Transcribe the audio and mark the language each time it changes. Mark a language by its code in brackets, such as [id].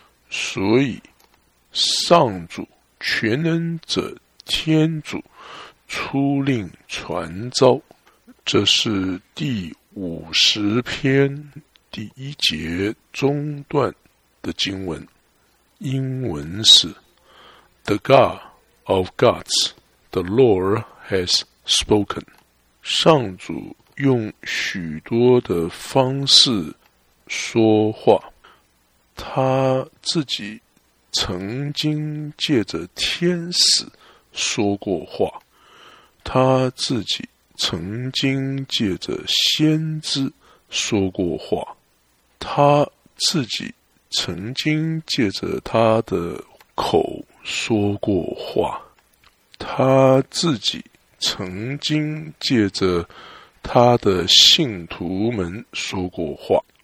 [zh] 所以，上主、全能者、天主出令传召，这是第50篇1中段的经文。英文是 [en] The God of Gods, the Lord has spoken. [zh] 上主用许多的方式说话，他自己曾经借着天使说过话，他自己曾经借着先知说过话，他自己曾经借着他的口说过话，他自己曾经借着他的信徒们说过话。